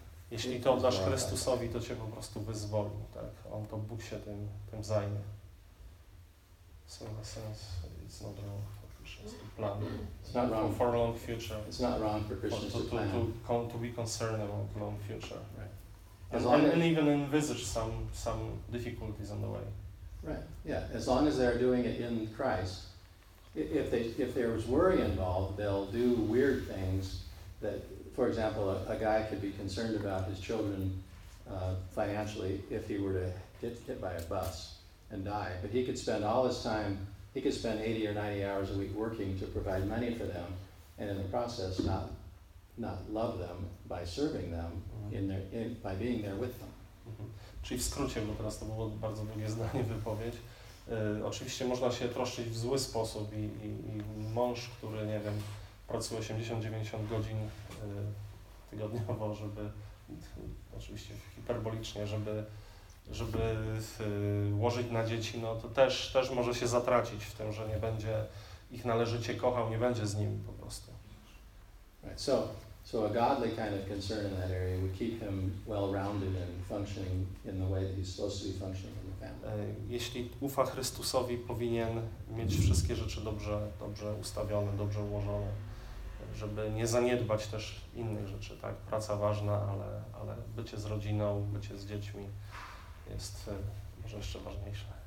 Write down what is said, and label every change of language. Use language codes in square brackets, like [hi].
[pl] Jeśli to oddasz Chrystusowi, to cię po prostu wyzwoli, tak? On to Bóg się tym zajmie. [en] It's not wrong for Christians to plan. It's not wrong for long future. It's not wrong for Christians to be concerned about long future. Right. And even envisage some difficulties on the way. Right. Yeah. As long as they're doing it in Christ. If there was worry involved, they'll do weird things. That, for example, a guy could be concerned about his children financially if he were to get hit by a bus and die. But he could spend all his time He could spend 80 or 90 hours a week working to provide money for them, and in the process not love them by serving them by being there with them. [pl] Czyli w skrócie, bo teraz to było bardzo długie zdanie, wypowiedź. Oczywiście można się troszczyć w zły sposób i mąż, który, nie wiem, pracuje 80-90 godzin tygodniowo, żeby, oczywiście hiperbolicznie, żeby łożyć na dzieci, no to też może się zatracić w tym, że nie będzie ich należycie kochał, nie będzie z nim po prostu. [en] Right. So a godly kind of concern in that area would keep him well-rounded and functioning in the way that he's supposed to be functioning in the family. [pl] Jeśli ufa Chrystusowi, powinien mieć wszystkie rzeczy dobrze ustawione, dobrze ułożone, żeby nie zaniedbać też innych rzeczy, tak? Praca ważna, ale bycie z rodziną, bycie z dziećmi jest może jeszcze ważniejsze.